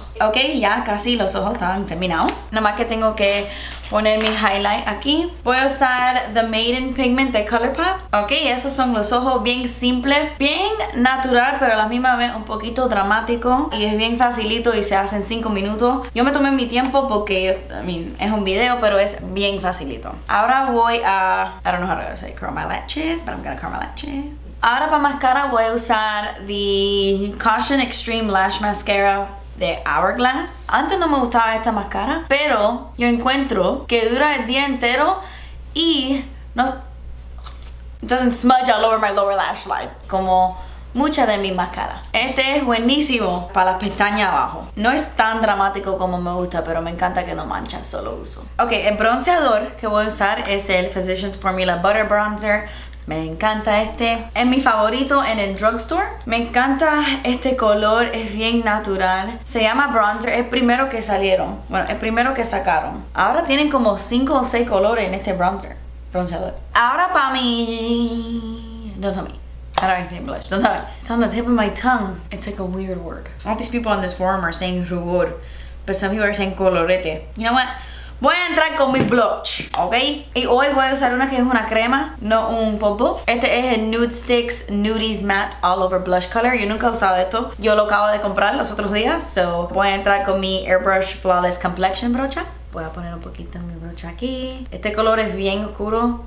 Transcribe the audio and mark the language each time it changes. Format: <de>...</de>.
<es>Ok, ya casi los ojos están terminados. Nada más que tengo que poner mi highlight aquí. Voy a usar The Maiden Pigment de ColourPop. Ok, esos son los ojos, bien simple, bien natural, pero a la misma vez un poquito dramático. Y es bien facilito y se hace en 5 minutos. Yo me tomé mi tiempo porque,</es> <en>I mean,</en> <es>es un video, pero es bien facilito. Ahora voy a,</es> <en>I don't know how to say, curl my lashes, but I'm gonna curl my lashes.</en> <es>Ahora para máscara voy a usar the Caution Extreme Lash Mascara de Hourglass. Antes no me gustaba esta máscara, pero yo encuentro que dura el día entero y no,</es> <en>it doesn't smudge all over my lower lash line</en> <es>como muchas de mis máscaras. Este es buenísimo para las pestañas abajo. No es tan dramático como me gusta, pero me encanta que no mancha, solo uso. Ok, el bronceador que voy a usar es el Physicians Formula Butter Bronzer. Me encanta este. Es mi favorito en el drugstore. Me encanta este color. Es bien natural. Se llama bronzer. Es el primero que salieron. Bueno, el primero que sacaron. Ahora tienen como 5 o 6 colores en este bronzer. bronceador. Ahora para mí.</es> <en>Don't tell me. How do I say blush? Don't tell me. It's on the tip of my tongue. It's like a weird word. All these people on this forum are saying rubor, but some people are saying colorete. You know what?</en> <es>Voy a entrar con mi blush, ¿ok? Y hoy voy a usar una que es una crema, no un polvo. Este es el Nude Sticks Nudies Matte All Over Blush Color. Yo nunca he usado esto. Yo lo acabo de comprar los otros días. So, voy a entrar con mi Airbrush Flawless Complexion brocha. Voy a poner un poquito en mi brocha aquí. Este color es bien oscuro.</es>